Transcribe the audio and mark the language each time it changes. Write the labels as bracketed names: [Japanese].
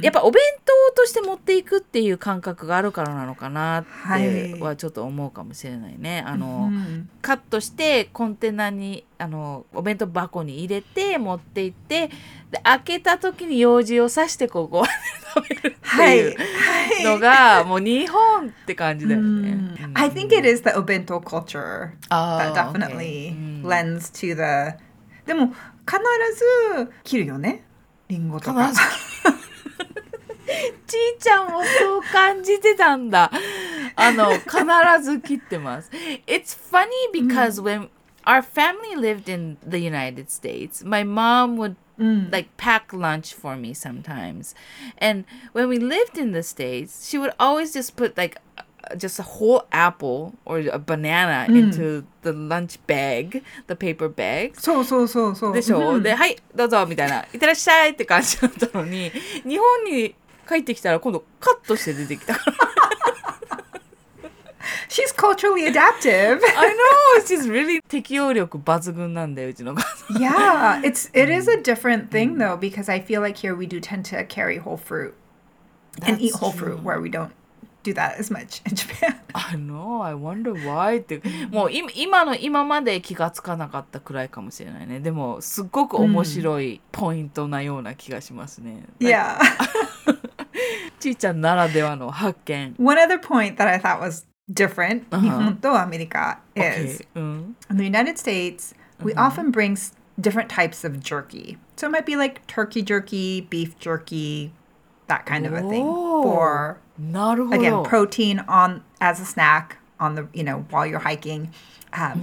[Japanese] やっぱお弁当として持っていくっていう感覚があるからなのかなってはちょっと思うかもしれないね、はい、あの、うん、カットしてコンテナにあのお弁当箱に入れて持って行ってで開けた時に用事を刺してここで食べるっていうのが、はいはい、もう日本って感じだよね、う [English] ん、I think it is the お弁当 culture that definitely、okay. lends to the、 [Japanese] うん、でも必ず切るよねリンゴとか。ちいちゃんもそう感じてたんだ。あの、必ず切ってます。 [English] It's funny because、うん、when our family lived in the United States, my mom would、うん、like pack lunch for me sometimes. And when we lived in the States, she would always just put like just a whole apple or a banana、うん、into the lunch bag, the paper bag. [Japanese] そうそうそうそう。でしょ、うん、で、はい、どうぞみたいな。いってらっしゃいって感じだったのに、日本に帰ってきたら今度カットして出てきたから。 [English] She's culturally adaptive. I know, she's really [Japanese] 適応力抜群なんだよ、うちの母さん。 [English] Yeah, it's, it is a different thing、うん、though, because I feel like here we do tend to carry whole fruit、That's、and eat whole fruit、true. Where we don't. Do that as much in Japan. I know. I wonder why. [Japanese] ってもう今の今まで気がつかなかったくらいかもしれないね。でもすっごく面白いポイントなような気がしますね。 [English] Mm. Like, yeah. [Japanese] ちいちゃんならではの発見。 [English] One other point that I thought was different、uh-huh. [Japanese] 日本とアメリカ [English] is、 [Japanese] okay. [English] uh-huh. in the United States we、uh-huh. often bring different types of jerky. So it might be like turkey jerky, beef jerky, that kind of a thing、 oh. for. Again, protein on, as a snack on the, you know, while you're hiking because、mm-hmm.